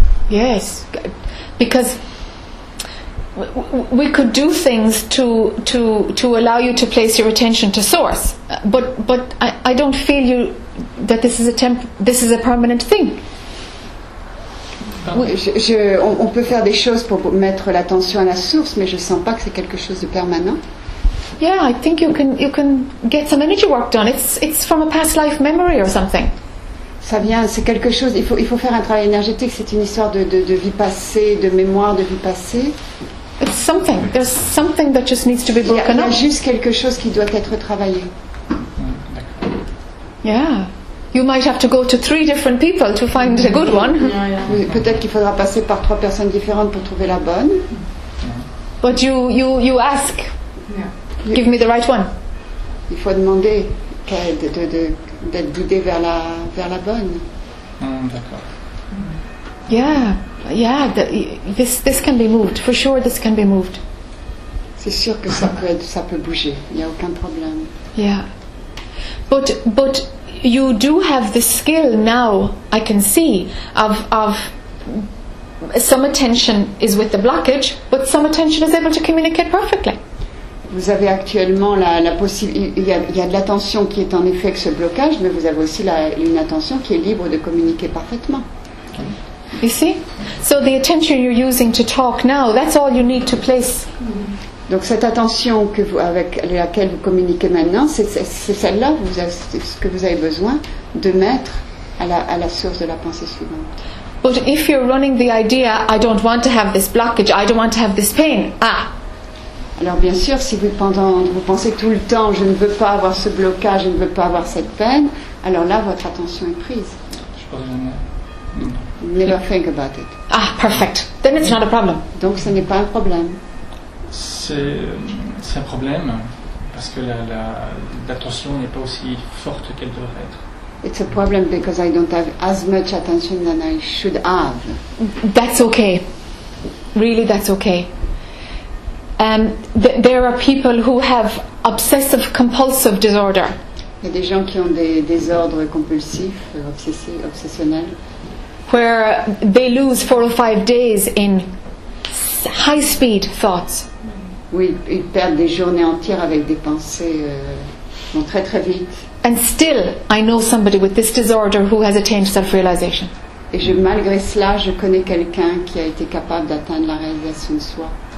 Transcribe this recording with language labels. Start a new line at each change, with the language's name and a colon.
English: Yes, because we could do things to allow you to place your attention to source, but I don't feel you that this is a this is a permanent thing.
French: Oui, on peut faire des choses pour mettre l'attention à la source, mais je sens pas que c'est quelque chose de permanent.
English: Yeah, I think you can get some energy work done. It's from a past life memory or something.
French: Ça vient, c'est quelque chose. Il faut faire un travail énergétique. C'est une histoire de vie passée, de mémoire de vie passée.
English: It's something. There's something that just needs to be broken up.
French: Il y a juste quelque chose qui doit être travaillé.
English: Yeah. You might have to go to three different people to find a good one. Yeah, yeah.
French: Peut-être qu'il faudra passer par trois personnes différentes pour trouver la bonne.
English: But you ask. Yeah. Give me the right one.
French: Il faut demander d'être guidé vers la bonne. D'accord.
English: Yeah. This can be moved. For sure, this can be moved.
French: C'est sûr que ça peut bouger. Il y a aucun problème.
English: Yeah. But you do have the skill now, I can see, of some attention is with the blockage, but some attention is able to communicate perfectly.
French: Vous avez actuellement la possibilité. Il y a de l'attention qui est en effet avec ce blocage, mais vous avez aussi une attention qui est libre de communiquer parfaitement.
English: You see? So the attention you're using to talk now, that's all you need to place.
French: Donc cette attention avec laquelle vous communiquez maintenant, c'est celle-là ce que vous avez besoin de mettre à la source de la pensée suivante.
English: But if you're running the idea, I don't want to have this blockage, I don't want to have this pain. Ah.
French: Alors bien sûr, si vous pensez tout le temps, je ne veux pas avoir ce blocage, je ne veux pas avoir cette peine, alors là votre attention est prise. Je pense jamais.
English: Never think about it. Ah, perfect. Then it's not a problem.
French: Donc ce n'est pas un problème. C'est un problème parce que l'attention n'est pas aussi forte qu'elle devrait être.
English: It's a problem because I don't have as much attention than I should have. That's okay. Really, that's okay. There are people who have obsessive compulsive disorder.
French: Il y a des gens qui ont des désordres compulsifs, obsessionnels.
English: Where they lose 4 or 5 days in high speed thoughts.
French: Oui, ils perdent des journées entières avec des pensées très très vite.
English: And still, I know somebody with this disorder who has attained self-realization.
French: Et malgré cela, je connais quelqu'un qui a été capable d'atteindre la réalisation de soi.